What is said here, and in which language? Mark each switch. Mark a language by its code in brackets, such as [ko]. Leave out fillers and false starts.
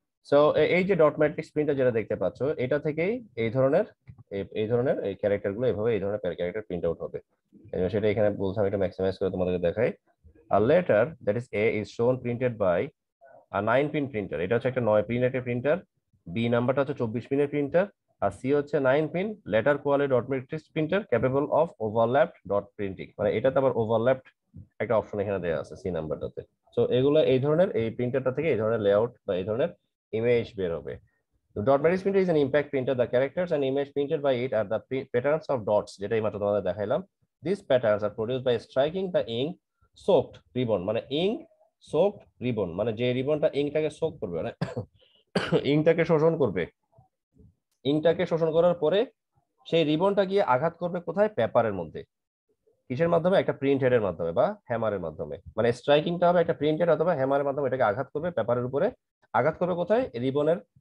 [bn] So এই যে dot matrix printer যেটা দেখতে পাচ্ছ, এটা থেকেই এই ধরনের এই character গুলো এভাবে এই ধরনের character print out হবে। এবার সেটা এখানে বলছি আমি এটা maximize করে তোমাদেরকে দেখাই। [en] A letter that is A is shown printed by a 9-pin printer. [bn] এটা হচ্ছে একটা 9-pin printer. B নাম্বারটা হচ্ছে 24-pin printer. আর C হচ্ছে [en] 9-pin letter quality dot matrix printer capable of overlapped dot printing. [bn] মানে এটা তো আবার overlapped একটা অপশন এখানে দেওয়া আছে C নাম্বারটাতে। So এগুলো এই ধরনের এই printerটা থেকে এই ধরনের layout বা এই ধরনের image বের হবে। [en] The dot matrix printer is an impact printer. The characters and image printed by it are the patterns of dots. [bn] যেটা এইমাত্র তোমাদের দেখাইলাম। [en] These patterns are produced by striking the ink soaked ribbon [bn] মানে ইং soaked ribbon মানে যে রিবনটা ইংটাকে soak করবে মানে ইংটাকে শোষণ করবে ইংটাকে শোষণ করার পরে সেই রিবনটা গিয়ে আঘাত করবে কোথায় পেপারের মধ্যে কিসের মাধ্যমে একটা প্রিন্ট হেডের মাধ্যমে বা হ্যামারের মাধ্যমে মানে স্ট্রাইকিংটা হবে একটা প্রিন্ট হেড অথবা হ্যামারের মাধ্যমে এটাকে আঘাত করবে পেপারের উপরে আঘাত করবে কোথায় রিবনের